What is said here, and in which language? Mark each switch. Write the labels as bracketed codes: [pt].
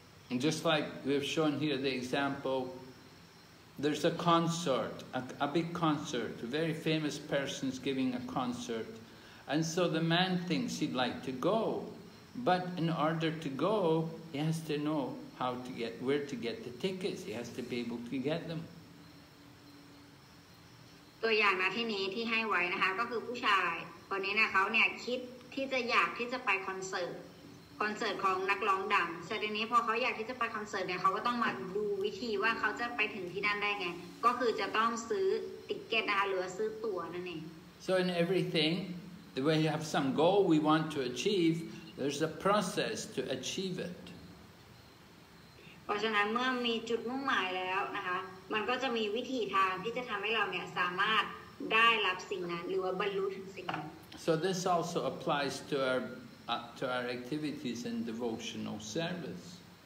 [en] And just like we've shown here the example, there's a concert, a big concert, a very famous person's giving a concert. And so the man thinks he'd like to go. But in order to go, he has to know where to get the tickets. He has to be able to get them. [th] ตัวอย่างนะที่นี้ที่ให้ไว้นะคะก็คือผู้ชายคนนี้นะเขาเนี่ยคิดที่จะอยากที่จะไปคอนเสิร์ตของนักร้องดังแต่ทีนี้พอเขาอยากที่จะไปคอนเสิร์ตเนี่ยเขาก็ต้องมาดูวิธีว่าเขาจะไปถึงที่นั่นได้ไงก็คือจะต้องซื้อติ๊กเก็ตนะคะหรือซื้อตั๋วนั่นเอง [en] So in everything the way you have some goal we want to achieve there's a process to achieve it [th] เพราะฉะนั้นเมื่อมีจุดมุ่งหมายแล้วนะคะมันก็จะมีวิธีทางที่จะทำให้เราเนี่ยสามารถได้รับสิ่งนั้นหรือว่าบรรลุถึงสิ่งนั้น [en] So this also applies to our activities in devotional service.